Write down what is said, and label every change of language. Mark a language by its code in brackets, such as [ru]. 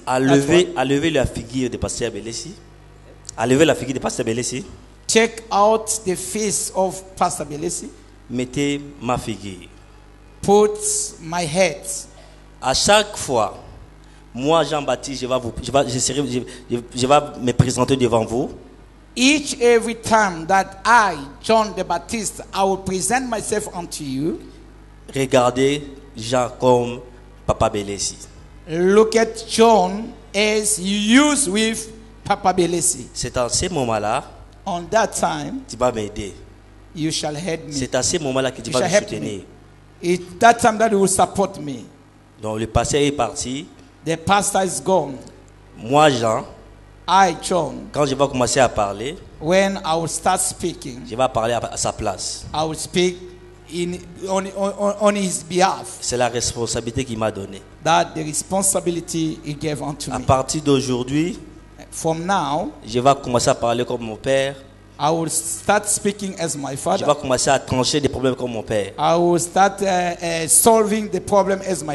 [fr] A lever la figure de Pasteur Bélessi. A lever la figure de Pasteur Bélessi. [en] Check out the face of Pastor Bélessi. [fr] Mettez ma figure. [en] Put my head. [fr] À chaque fois. Moi, Jean-Baptiste, je vais me présenter devant vous. [en] Each every time that I, John the Baptist, I will present myself unto you. [fr] Regardez Jean comme Papa Bélessi. [en] Look at John as you use with Papa Bélessi. [fr] C'est à ce moment-là. [en] On that time. [fr] Tu vas m'aider. [en] You shall help me. [fr] C'est à ce moment-là que tu [en] you [fr] vas me soutenir. [en] It's that time that you will support me. [fr] Donc le passé est parti. [en] The pastor is gone. [fr] Moi, Jean. [en] I, John. [fr] Quand je vais commencer à parler. [en] When I will start speaking. [fr] Je vais parler à sa place. [en] I will speak on his behalf. [fr] C'est la responsabilité qu'il m'a donnée. [en] That the responsibility he gave unto me. [fr] À partir d'aujourd'hui. [en] From now. [fr] Je vais commencer à parler comme mon père. [en] I will start speaking as my father. [fr] Je vais commencer à trancher des problèmes comme mon père. [en] I will start solving the problem as my